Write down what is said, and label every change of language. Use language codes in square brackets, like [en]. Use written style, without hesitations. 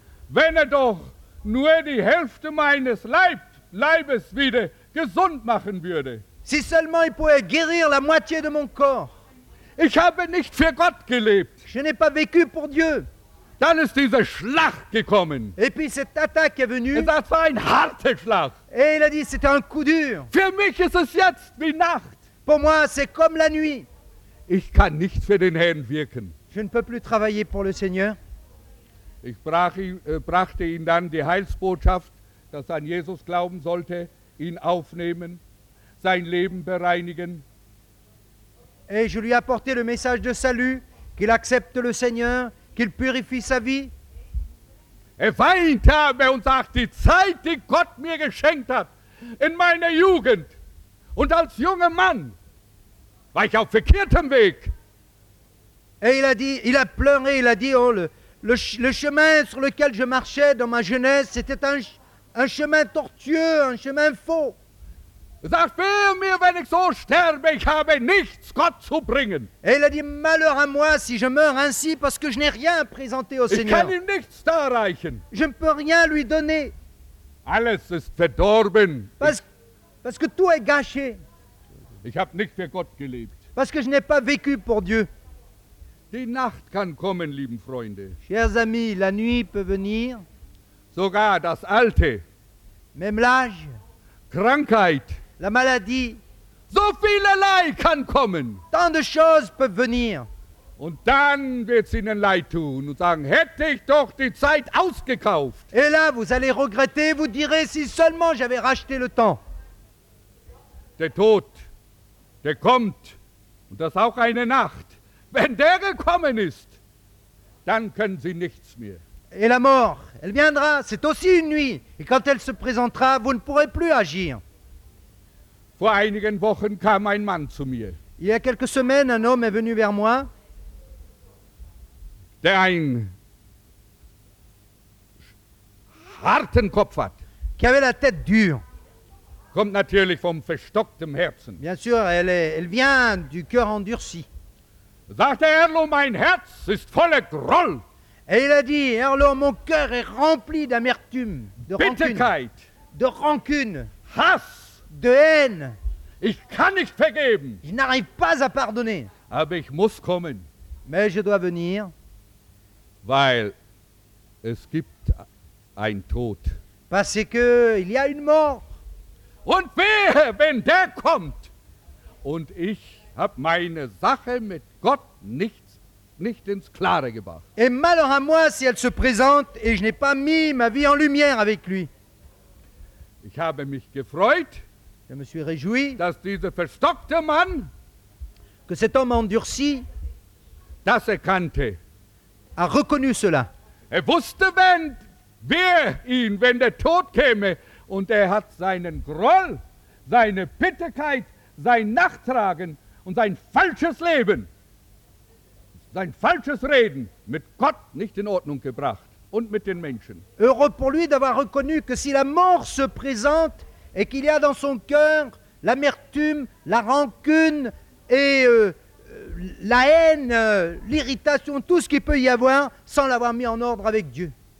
[de] Wenn er doch nur die Hälfte meines Leibes wieder gesund machen würde. [fr] Si seulement il pouvait guérir la moitié de mon corps. [de] Ich habe nicht für Gott gelebt. [fr] Je n'ai pas vécu pour Dieu. [de] Dann ist dieser Schlag gekommen. [fr] Et puis cette attaque est venue. Et [de] das war ein harter Schlag. [fr] Et il a dit, c'était un coup dur. [de] Für mich ist es jetzt wie Nacht. [fr] Pour moi, c'est comme la nuit. [de] Ich kann nicht für den Herrn wirken. [fr] Je ne peux plus travailler pour le Seigneur. [de] Ich brachte ihn dann die Heilsbotschaft, dass er an Jesus glauben sollte, ihn aufnehmen, sein Leben bereinigen. [fr] Et je lui ai apporté le message de salut, qu'il accepte le Seigneur, qu'il purifie sa vie. [de] Er weinte aber und sagt, die Zeit, die Gott mir geschenkt hat, in meiner Jugend und als junger Mann, war ich auf verkehrtem Weg. [fr] Et il a dit, il a pleuré, il a dit, oh, le chemin sur lequel je marchais dans ma jeunesse, c'était un chemin tortueux, un chemin faux. [de] Er sagt, wehe mir, wenn ich so sterbe, ich habe nichts Gott zu bringen. [fr] Et il a dit, malheur à moi si je meurs ainsi, parce que je n'ai rien présenté au Seigneur. [de] Ich kann ihm nichts darreichen. [fr] Je ne peux rien lui donner. [de] Alles ist verdorben. [fr] Parce que tout est gâché. [de] Ich habe nicht für Gott gelebt. [fr] Parce que je n'ai pas vécu pour Dieu. [de] Die Nacht kann kommen, lieben Freunde. [fr] Chers amis, la nuit peut venir. [de] Sogar das Alte. [fr] Même l'âge. [de] Krankheit. [fr] La maladie. [de] So vielerlei kann kommen. [fr] Tant de choses peuvent venir. [de] Und dann wird's ihnen leid tun und sagen, hätte ich doch die Zeit ausgekauft. [fr] Et là, vous allez regretter, vous direz, si seulement j'avais racheté le temps. [de] Der Tod, der kommt, und das auch eine Nacht. Wenn der gekommen ist, dann können sie nichts mehr. [fr] Et la mort, elle viendra, c'est aussi une nuit. Et quand elle se présentera, vous ne pourrez plus agir. [de] Vor einigen Wochen kam ein Mann zu mir. [fr] Il y a quelques semaines, un homme est venu vers moi. [de] Der einen harten Kopf hat. [fr] Qui avait la tête dure. [de] Kommt natürlich vom verstockten Herzen. [fr] Bien sûr, elle vient du cœur endurci. [de] Sagt der Herr, mein Herz ist voller Groll. [fr] Et il a dit, Herlo, mon cœur est rempli d'amertume, de [de] Bitterkeit, [fr] rancune, [de] Hass, [fr] de haine. [de] Ich kann nicht vergeben. [fr] Je n'arrive pas à pardonner. [de] Aber ich muss kommen. [fr] Mais je dois venir. [de] Weil es gibt ein Tod. [fr] Parce que il y a une mort. [de] Und wehe, wenn der kommt. Und ich hab meine Sache mit Gott nicht ins Klare gebracht. [fr] Et malheur à moi si elle se présente et je n'ai pas mis ma vie en lumière avec lui. [de] Ich habe mich gefreut. [fr] Je me suis réjoui. [de] Dass dieser verstockte Mann. [fr] Que cet homme endurci. [de] Das erkannte. [fr] A reconnu cela. [de] Er wusste, wenn der Tod käme. Und hat seinen Groll, seine Bitterkeit, sein Nachtragen und sein falsches Leben, sein falsches Reden mit Gott nicht in Ordnung gebracht und mit den Menschen. [fr] Heureux pour lui d'avoir reconnu que si la mort se présente et qu'il y a dans son cœur l'amertume, la rancune et la haine, l'irritation, tout ce qu'il peut y avoir sans l'avoir mis en ordre avec Dieu.